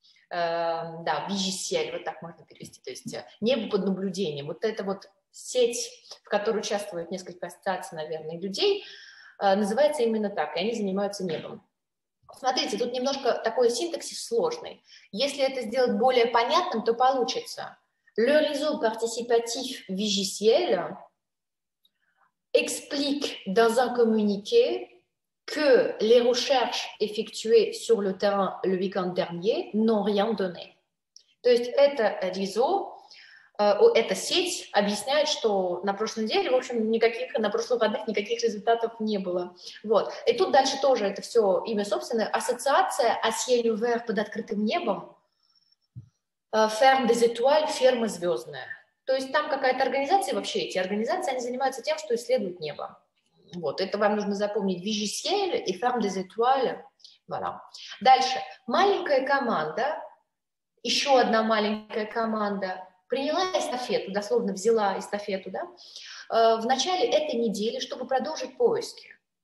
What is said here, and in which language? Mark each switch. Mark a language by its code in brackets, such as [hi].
[ru] Да, Вижисель, вот так можно перевести, то есть небо под наблюдением, вот эта вот сеть, в которой участвуют несколько ассоциаций, наверное, людей, называется именно так, и они занимаются небом. Смотрите, тут немножко такой синтаксис сложный. Если это сделать более понятным, то получится. [fr] Le réseau participatif Vigiciel explique dans un communiqué que les recherches effectuées sur le terrain le week-end dernier n'ont rien donné. [ru] То есть это réseau, эта сеть объясняет, что на прошлой неделе, в общем, никаких, на прошлых выходных никаких результатов не было. Вот. И тут дальше тоже это все имя собственное. Ассоциация «Ciel ouvert» под открытым небом, «Ferme des étoiles» — «Ферма звездная». То есть там какая-то организация, вообще эти организации, они занимаются тем, что исследуют небо. Вот, это вам нужно запомнить. Vigiciel и Ferme des Étoiles. Voilà. Дальше. Маленькая команда, еще одна маленькая команда, приняла эстафету, дословно взяла эстафету, да, в начале этой недели, чтобы продолжить поиски.